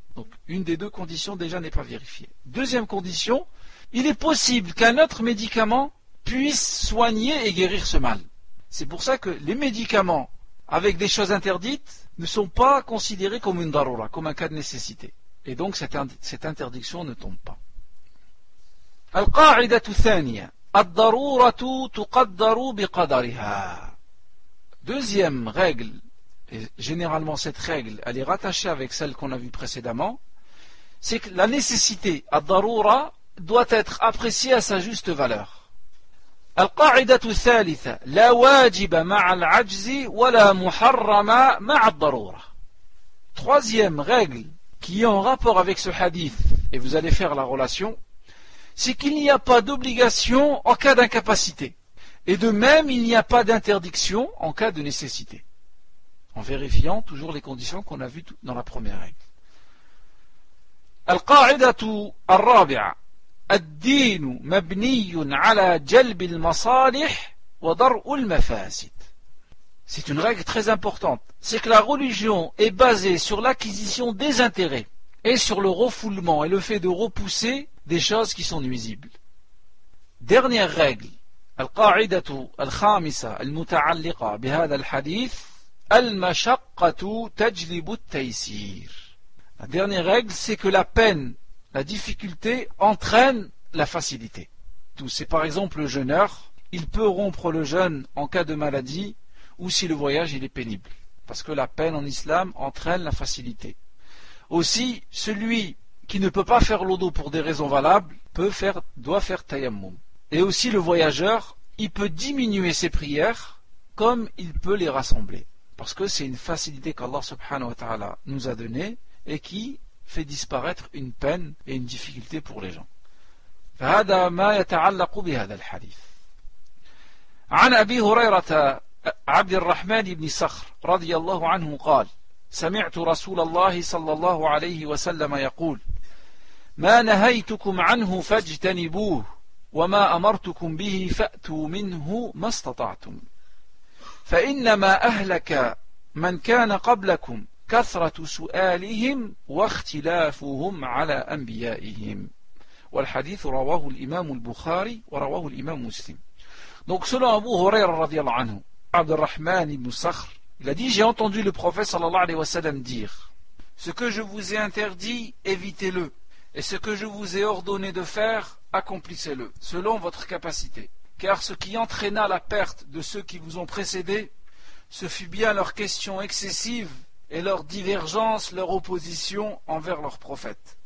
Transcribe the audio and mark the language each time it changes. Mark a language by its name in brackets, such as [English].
[French] Donc, une des deux conditions déjà n'est pas vérifiée. Deuxième condition, il est possible qu'un autre médicament puisse soigner et guérir ce mal. C'est pour ça que les médicaments avec des choses interdites ne sont pas considérés comme une daroura, comme un cas de nécessité. Et donc, cette interdiction ne tombe pas. [Arabic] القاعدة الثانية الضرورة تقدر بقدرها. [French] Deuxième règle, et généralement cette règle elle est rattachée avec celle qu'on a vue précédemment, c'est que la nécessité الضرورة doit être appréciée à sa juste valeur. [Arabic] القاعدة الثالثة لا واجب مع العجز ولا محرم مع الضرورة. [French] Troisième règle qui est en rapport avec ce hadith, et vous allez faire la relation, c'est qu'il n'y a pas d'obligation en cas d'incapacité. Et de même, il n'y a pas d'interdiction en cas de nécessité. En vérifiant toujours les conditions qu'on a vues dans la première règle. [Arabic] القاعدة الرابعة الدين مبني على جلب المصالح ودرء المفاسد. [French] C'est une règle très importante. C'est que la religion est basée sur l'acquisition des intérêts et sur le refoulement et le fait de repousser des choses qui sont nuisibles. Dernière règle, [Arabic] القاعدة الخامسة المتعلقة بهذا الحديث المشقة تجلب التيسير. [French] La dernière règle, c'est que la peine, la difficulté entraîne la facilité. Donc, c'est par exemple le jeûneur, il peut rompre le jeûne en cas de maladie ou si le voyage il est pénible. Parce que la peine en islam entraîne la facilité. Aussi, celui qui ne peut pas faire l'odo pour des raisons valables, doit faire tayammum. Et aussi le voyageur, il peut diminuer ses prières comme il peut les rassembler. Parce que c'est une facilité qu'Allah subhanahu wa ta'ala nous a donnée et qui fait disparaître une peine et une difficulté pour les gens. [Arabic] فَهَذَا مَا يَتَعَلَّقُ بِهَذَا الْحَدِيثِ عَنْ أَبِي هُرَيْرَةَ عَبْدِ الرَّحْمَنِ بْنِ صَخْرِ رَضِيَ اللَّهُ عَنْهُ قَالْ سمعت رسول الله صلى الله عليه وسلم يقول ما نهيتكم عنه فاجتنبوه وما أمرتكم به فأتوا منه ما استطعتم فإنما أهلك من كان قبلكم كثرة سؤالهم واختلافهم على أنبيائهم والحديث رواه الإمام البخاري ورواه الإمام مسلم. [French] Donc selon Abu Huraira [Arabic] رضي الله عنه [French] عبد الرحمن بن صخر, il a dit, j'ai entendu le prophète sallallahu alayhi wa sallam dire, ce que je vous ai interdit, évitez-le, et ce que je vous ai ordonné de faire, accomplissez-le, selon votre capacité. Car ce qui entraîna la perte de ceux qui vous ont précédé, ce fut bien leur question excessive et leur divergence, leur opposition envers leur prophète.